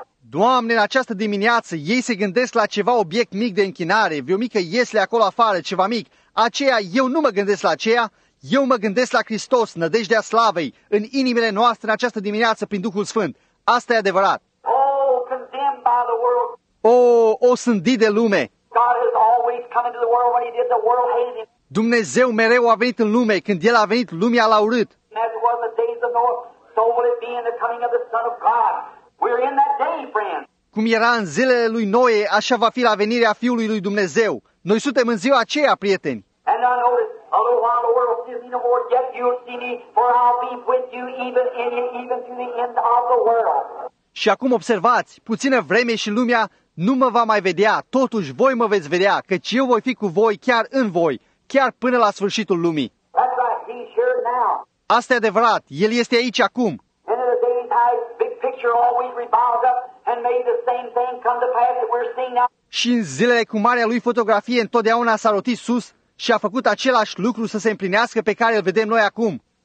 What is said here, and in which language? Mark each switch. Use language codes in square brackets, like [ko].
[ro] Doamne, în această dimineață, ei se gândesc la ceva obiect mic de închinare, vreo mică iesle acolo afară, ceva mic. Aceea, eu nu mă gândesc la aceea, eu mă gândesc la Hristos, nădejdea slavei, în inimile noastre, în această dimineață, prin Duhul Sfânt. Asta e adevărat. [en] Oh, condemned by the world. [ro] Osândit de lume. [en] God has always come into the world when he did, the world hated him. [ro] Dumnezeu mereu a venit în lume. Când El a venit, lumea l-a urât. [en] As it was in the days of Noah, so will it be in the coming of the Son of God. We're in that day, friend. [ro] Cum era în zilele lui Noe, așa va fi la venirea Fiului lui Dumnezeu. Noi suntem în ziua aceea, prieteni. [en] And I know that a little while the world sees me no more, yet you'll see me, for I'll be with you even in it, even to the end of the world. [ro] Și acum observați, puțină vreme și lumea nu mă va mai vedea, totuși voi mă veți vedea, căci eu voi fi cu voi chiar în voi, chiar până la sfârșitul lumii. [en] That's right, he's here now. [ro] Asta e adevărat, El este aici acum. [en] And in the daytime, big picture always revolves up and may the same thing come to pass that we're seeing now. [ro] Și în zilele cu marea lui fotografie întotdeauna s-a rotit sus și a făcut același lucru să se împlinească pe care îl vedem noi acum.